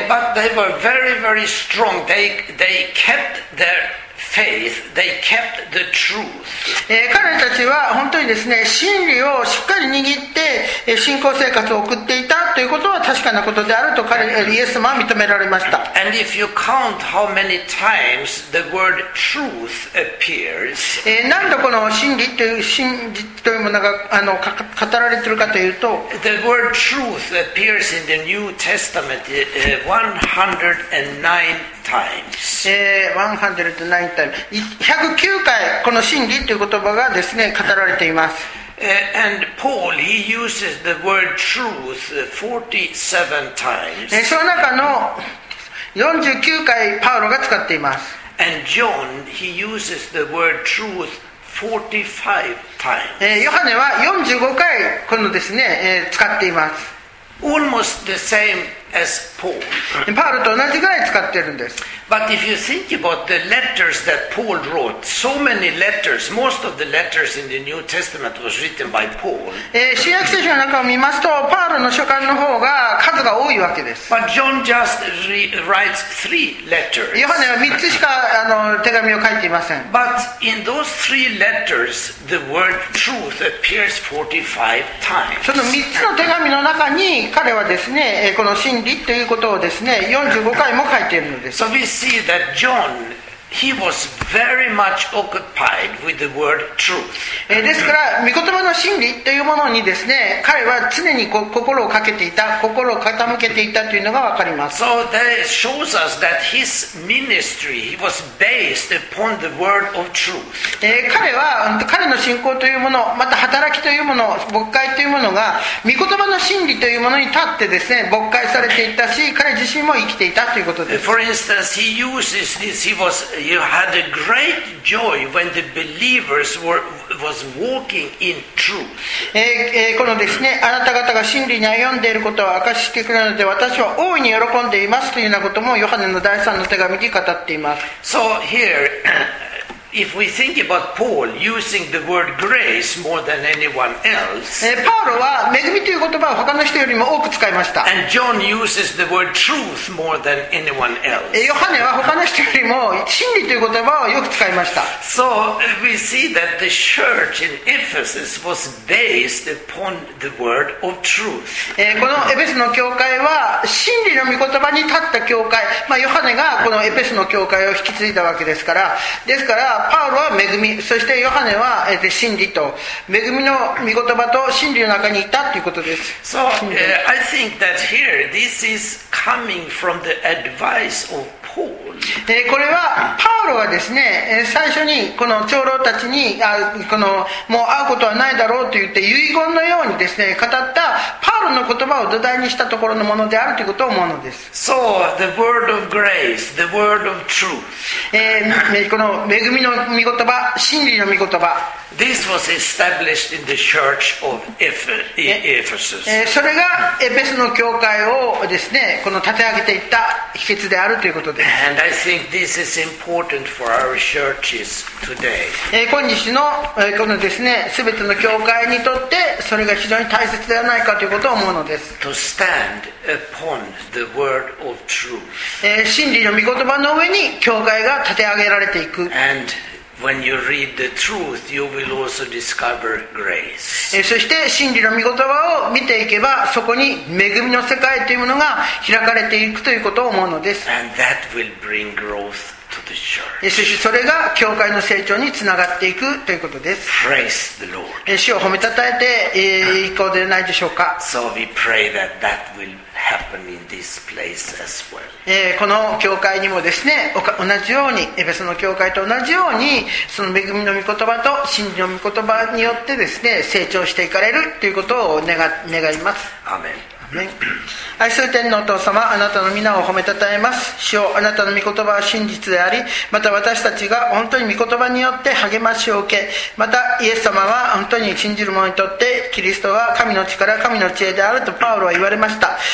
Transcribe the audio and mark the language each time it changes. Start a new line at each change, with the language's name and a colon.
English: But they were very, very strong. They kept their faith. They kept the truth.
Japanese: 彼たちは本当にですね、真理をしっかり握って信仰生活を送っていたということは確かなことであると彼イエス様は認められました。
English: And if you count how many times the word truth appears,
Japanese: 何度この真理という真実というものがあの語られているかというと、
English: the word truth appears in the New Testament 109 times. 109 times. 109 times.
Japanese: この真理という言葉がですね語られています。
English: And Paul, he uses the word truth 47 times.
Japanese: その中の49回パウロが使っています。
English: And John, he uses the word truth 45 times.
Japanese: ヨハネは45回このですね、使っています。
English: Almost the same as Paul.
Japanese: パウロと同じぐらい使っているんです。
English: But if you think about the letters that Paul wrote, so many letters, most of the letters in the New Testament was written by Paul.
Japanese: 新約聖書の中を見ますと、パウロの書簡の方が数が多いわけです。
English: But John just writes three letters.
Japanese: ヨハネは3つしかあの手紙を書いていません。
English: But in those three letters, the word truth appears 45 times.
Japanese: その3つの手紙の中に彼はですね、この真理ということをですね、45回も書いているのです。
English: So we see that John, he was very much occupied with the word truth.
Japanese: ですから、御言葉の真理というものにですね、彼は常に心をかけていた、心を傾けていたというのがわかります。
English: So that shows us that his ministry, he was based upon the word of truth.
Japanese: 彼の信仰というもの、また働きというもの、牧会というものが、御言葉の真理というものに立ってですね、牧会されていたし、彼自身も生きていたということです。
English: For instance, he uses this, he was, you had a great joy when the believers was walking in truth.
Japanese: このですね、あなた方が真理に歩んでいることを証ししてくれるので、私は大いに喜んでいますというようなことも、ヨハネの第3の手紙に語っています。
English: So here, if we think about Paul using the word grace more than anyone else,
Japanese: パウロは恵みという言葉を他の人よりも多く使いました。
English: And John uses the word truth more than anyone else.
Japanese: ヨハネは他の人よりも真理という言葉をよく使いました。
English: So we see that the church in Ephesus was based upon the word of truth.
Japanese: このエペソの教会は真理の御言葉に立った教会。まあヨハネがこのエペソの教会を引き継いだわけですから、ですから。パウロは恵み、そしてヨハネは真理と、恵みの御言葉と真理の中にいたということです。
English: So, I think that here, this is coming from the advice of Paul.
Japanese: これはパウロがですね、最初にこの長老たちに、このもう会うことはないだろうと言って遺言のようにですね、語ったパウロの言葉を土台にしたところのものであるということを思うのです。
English: So, the word of grace, the word of truth.
Japanese: この恵みの御言葉、真理の御言葉。
English: This was established in the church of Ephesus.
Japanese: それがエペソの教会をですね、この立て上げていった秘訣であるということです。
English: And I think this is important for our churches today.
Japanese: 今日のこのですね、すべての教会にとってそれが非常に大切ではないかということを思うのです。
English: To stand upon the word of truth.
Japanese: 真理の御言葉の上に教会が立て上げられていく。
English: And when you read the truth, you will also discover grace.
Japanese: そして真理の御言葉を見ていけば、そこに恵みの世界というものが開かれていくということを思うのです。
English: And that will bring growth to the
Japanese: そしてそれが教会の成長につながっていくということです。
English: Praise the Lord.
Japanese: 主を褒めたたえていこうではないでしょうか。
English: So we pray that that will happen in this place as well.
Japanese: この教会にもですね、同じようにエペソの教会と同じようにその恵みの御言葉と真理の御言葉によってですね、成長していかれるということを 願います。アーメン。愛する天のお父様、あなたの皆を褒めたたえます。主よ、あなたの御言葉は真実であり、また私たちが本当に御言葉によって励ましを受け、またイエス様は本当に信じる者にとってキリストは神の力、神の知恵であるとパウロは言われました。